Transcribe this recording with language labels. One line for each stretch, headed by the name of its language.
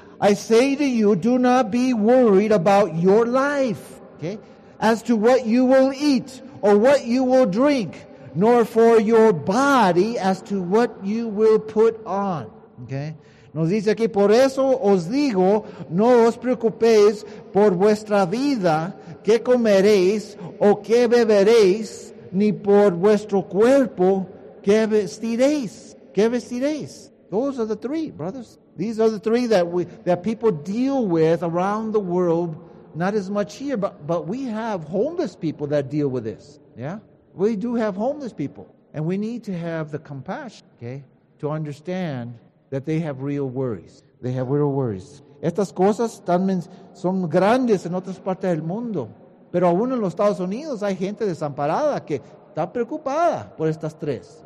English: I say to you, do not be worried about your life, okay? As to what you will eat or what you will drink, nor for your body as to what you will put on, okay?
Spanish: Nos dice aquí, por eso os digo, no os preocupéis por vuestra vida, qué comeréis o qué beberéis, ni por vuestro cuerpo, qué vestiréis, qué vestiréis.
English: Those are the three, brothers. These are the three that that people deal with around the world, not as much here, but we have homeless people that deal with this, yeah? We do have homeless people, and we need to have the compassion, okay, to understand that they have real worries. They have real worries.
Spanish: Estas cosas también son grandes en otras partes del mundo. Pero aún en los Estados Unidos hay gente desamparada que está preocupada por estas tres.